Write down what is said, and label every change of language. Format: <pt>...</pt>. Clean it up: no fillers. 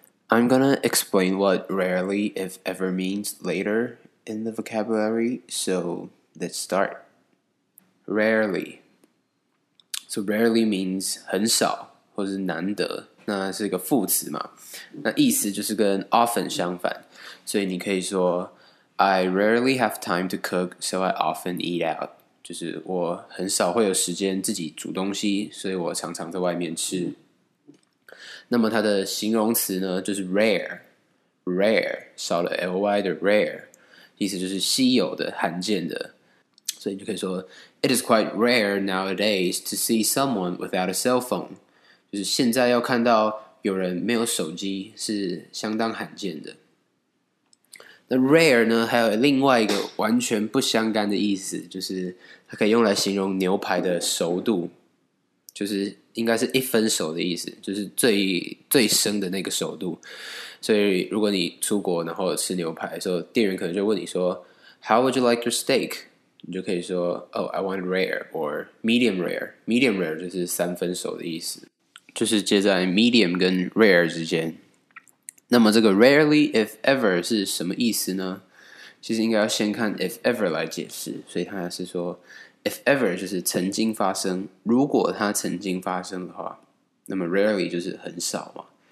<en>I'm gonna explain what rarely, if ever means later in the vocabulary, so let's start. Rarely. So rarely means</en> <zh>很少, 或是难得, 那是一个副词嘛, 那意思就是跟 often 相反, 所以你可以说,</zh> <en>I rarely have time to cook, so I often eat out.</en> <zh>就是我很少会有时间自己煮东西, 所以我常常在外面吃。那么它的形容词呢, 就是rare, rare, 少了ly的rare, 意思就是稀有的,罕见的, 所以你就可以说,</zh> <en>It is quite rare nowadays to see someone without a cell phone.</en> <zh>就是现在要看到有人没有手机是相当罕见的。那rare呢, 还有另外一个完全不相干的意思, 就是它可以用来形容牛排的熟度, 就是应该是一分熟的意思, 就是最生的那个熟度。所以如果你出国然后吃牛排的时候, 店员可能就问你说,</zh> <en>How would you like your steak?</en> <zh>你就可以说,</zh> <en>Oh, I want rare, or medium rare.</en> <zh>Medium rare就是三分熟的意思, 就是接在medium跟rare之间。那么这个rarely, if ever是什么意思呢?其实应该要先看if ever来解释, 所以他是说, If ever就是曾经发生, 如果它曾经发生的话, 那么rarely就是很少嘛。</zh>